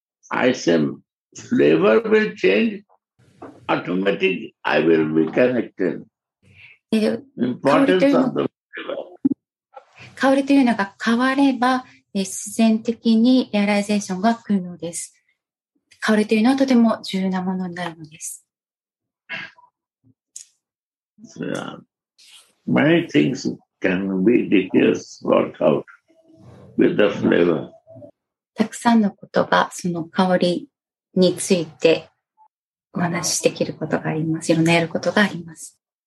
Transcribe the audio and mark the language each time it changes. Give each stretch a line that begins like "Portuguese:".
English: I say, flavor will change. Automatically, I will be connected. Importance of the flavor.
Japanese: 香りというのが変われば、自然的にリアライゼーションが来るのです。香りというのはとても重要なものになるのです。
English: So, many things. Can be details work out with the flavor.
Japanese: たくさんのことがその香りについてお話しできることがあります。いろんなやることがあります。